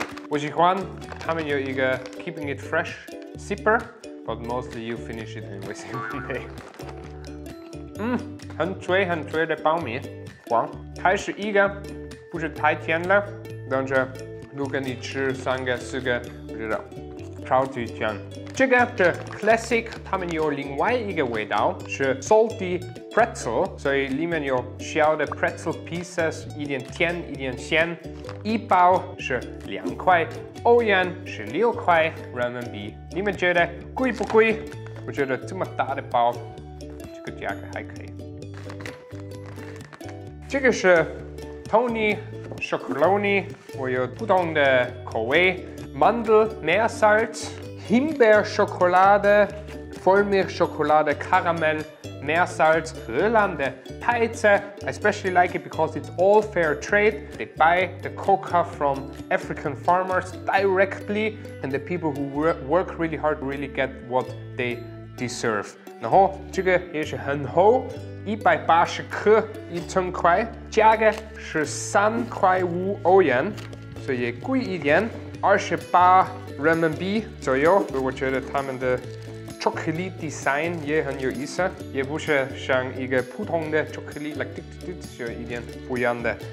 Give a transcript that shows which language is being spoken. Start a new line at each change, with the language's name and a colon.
Chinese: 我喜欢，他们有一个
English: keeping it fresh zipper, but mostly you finish it in one day.
Chinese: 很脆很脆的爆米花，还是一个不是太甜了，但是如果你吃三个四个，我觉得超级甜。这个是 classic, 他们有另外一个味道，是 salty pretzel, 所以里面有小的 pretzel pieces, 一点甜一点咸，一包是两块欧元，是六块人民币。你们觉得贵不贵？我觉得这么大的包，这个价格还可以。这个是 Tony Chocoloni, 我有不同的口味， Mandel Meersalz,Himbeer Schokolade, Vollmilchschokolade, Karamell, Meersalz, Irlande, Peitze.
English: I especially like it because it's all fair trade. They buy the cocoa from African farmers directly, and the people who work really hard really get what they deserve.
Chinese: 然后这个也是很厚，180克，一整块，价格是3.5欧元，所以也贵一点，28人民币左右。我觉得他们的 chocolate design 也很有意思，也不是像一个普通的 chocolate,
English: like this, this, this,
Chinese: 有一点不一样的。